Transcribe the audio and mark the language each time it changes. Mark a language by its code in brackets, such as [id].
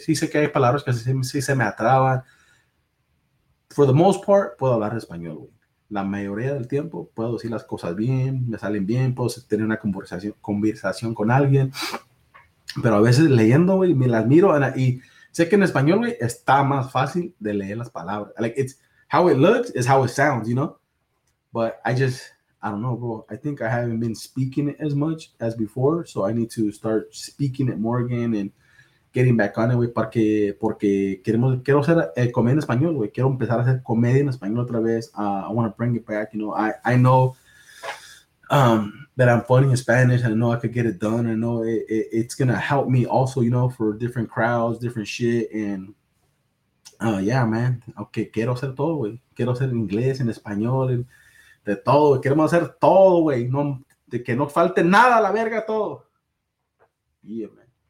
[es] Sí sé que hay palabras que sí se me atraban. [en] For the most part, [es] puedo hablar español, güey. La mayoría del tiempo puedo decir las cosas bien. Me salen bien. Puedo tener una conversación con alguien. Pero a veces leyendo, güey, me las miro. Y sé que en español, güey, está más fácil de leer las palabras. [en] Like, it's how it looks is how it sounds, you know? But I don't know, bro. I think I haven't been speaking it as much as before. So I need to start speaking it more again and getting back on it, güey. [es] Quiero hacer comedia en español, güey. Quiero empezar a hacer comedia en español otra vez. [en] I want to bring it back, you know? I know that I'm funny in Spanish. And I know I could get it done. I know it's going to help me also, you know, for different crowds, different shit. And yeah, man. Okay, [es] quiero hacer todo, güey. Quiero hacer inglés, en español, and de todo, queremos hacer todo, güey, no, de que no falte nada, la verga, todo. [en] Yeah, man.